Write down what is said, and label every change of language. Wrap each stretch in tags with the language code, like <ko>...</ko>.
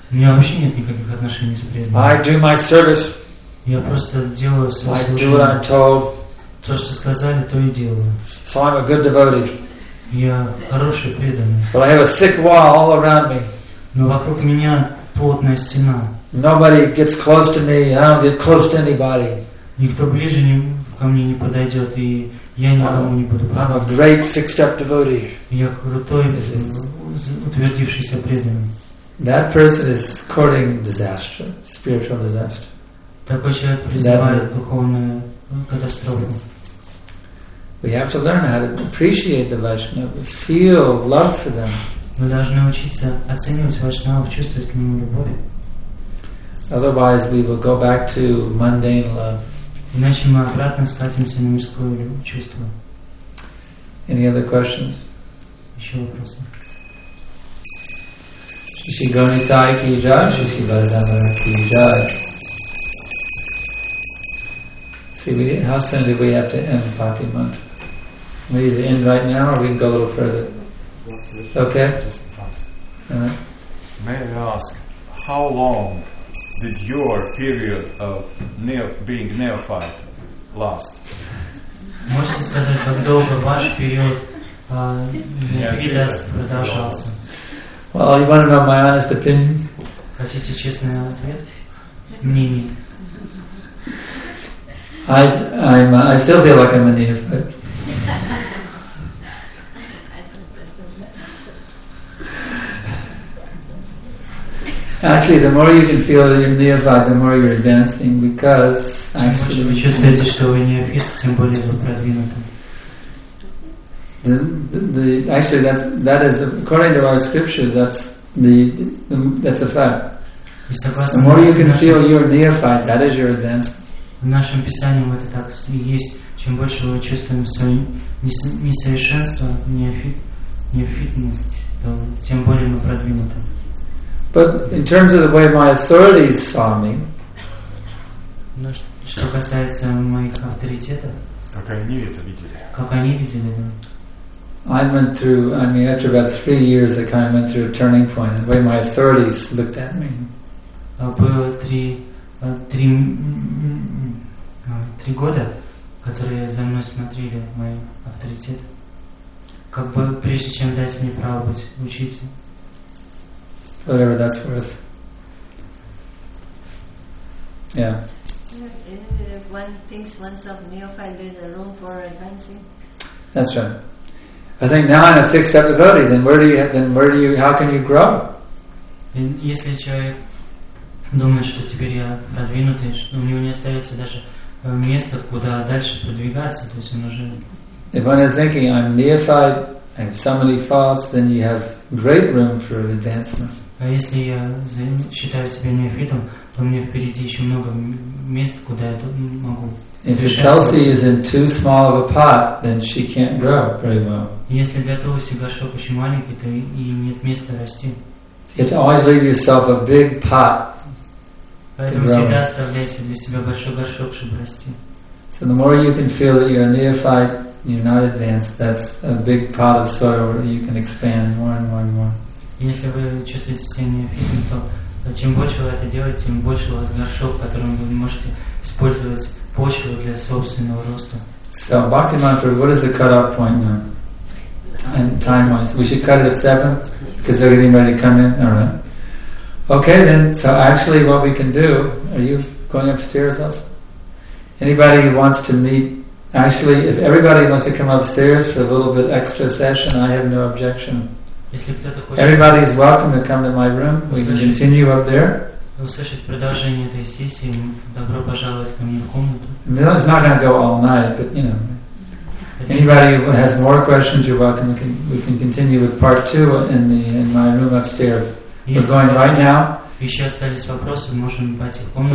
<ru>У меня вообще нет никаких отношений с преданными.</ru> <en>I do my service.</en> <ru>Я просто делаю свою службу.</ru> <en>I do what I'm told.</en> <ru>То, что сказали, то и делаю.</ru> <en>So I'm a good devotee.</en> <ru>Я хороший преданный.</ru> <en>But I have a thick wall all around me.</en> <ru>Но вокруг меня плотная стена.</ru> <en>Nobody gets close to me. I don't get close to anybody.</en> <ru>Никто ближе ко мне не подойдет, и я никому не буду подходить.</ru> <en>I'm a great fixed up devotee.</en> <ru>Я крутой, утвердившийся преданный.</ru> <en>That person is courting disaster, spiritual disaster.</en> <ru>Такой человек призывает духовную катастрофу.</ru> <en>We have to learn how to appreciate the Vaishnavas, feel love for them.</en> <ru>Мы должны учиться оценивать Вайшнавов, чувствовать к ним любовь.</ru> <en>Otherwise, we will go back to mundane love.</en> <ru>Иначе мы обратно скатимся на мирское чувство.</ru> <en>Any other questions?</en> <ru>Еще вопросы?</ru> <hi>Shri Gaunitai Ki Jai, Shri Vardhamara Ki Jai.</hi> <en>See, how soon do we have to end Pati Mantra? We either end right now or we can go a little further. Okay? Just pass. May I ask, how long did your period of being neophyte last?</en> <ru>Можете сказать, как долго ваш период продолжался?</ru> <en>Well, you want to know my honest opinion?</en> <ru>Хотите честный ответ? Мнение.</ru> <en>I still feel like I'm a neophyte. Actually, the more you can feel that you're neophyte, the more you're advancing, because actually, that is according to our scriptures. That's a fact. The more you can feel you're neophyte, that is your advance.</en> <ru>В нашем писании это так и есть. Чем больше мы чувствуем свое несовершенство, неофитность, то тем более мы продвинуты.</ru> <en>But in terms of the way my authorities saw me,</en> <ru>что касается моих авторитетов, как они это видели? Как они видели?</ru> <en>After about 3 years, I kind of went through a turning point in the way my authorities looked at me.</en> <ru>Было три года, которые за мной смотрели мои авторитеты, как бы прежде чем дать мне право быть учителем.</ru> <en>Whatever that's worth. Yeah. Isn't it if one thinks oneself neophyte, there's a room for advancing? That's right. I think now I'm a fixed up devotee, then where do you how can you grow?</en> <ru>Если человек думает, что теперь я продвинутый, у него не остается даже места, куда дальше продвигаться, то есть он уже.</ru> <en>If one is thinking I'm neophyte, I have so many faults, then you have great room for advancement.</en> <ru>А если я считаю себя неофитом, то мне впереди еще много мест, куда я тут могу.</ru> <en>If Tulsi is in too small of a pot, then she can't grow very well.</en> <ru>Если для Тулси горшок очень маленький, то и нет места расти.</ru> <en>You have to always leave yourself a big pot.</en> <ru>Поэтому всегда оставляйте для себя большой горшок, чтобы расти.</ru> <en>So the more you can feel that you're a neophyte, you're not advanced, that's a big pot of soil where you can expand more and more and more.</en> <ru>Если вы чувствуете себя неофитом, то чем больше вы это делаете, тем больше у вас горшок, которым вы можете использовать почву для собственного роста.</ru> <en>So, Bhakti Mantra, what is the cut-off point now? And time-wise, we should cut it at 7, because they're getting ready to come in. All right. Okay, then. So, actually, what we can do? Are you going upstairs also? Anybody who wants to meet? Actually, if everybody wants to come upstairs for a little bit extra session, I have no objection. Everybody is welcome to come to my room. We can continue up there.</en> <ru>Услышать продолжение этой сессии, добро пожаловать ко мне в комнату.</ru> <en>It's not going to go all night, but you know. Anybody who has more questions, you're welcome. We can continue with part two in my room upstairs. We're going right now.</en> <ru>Еще остались вопросы, можем пойти в комнату.</ru>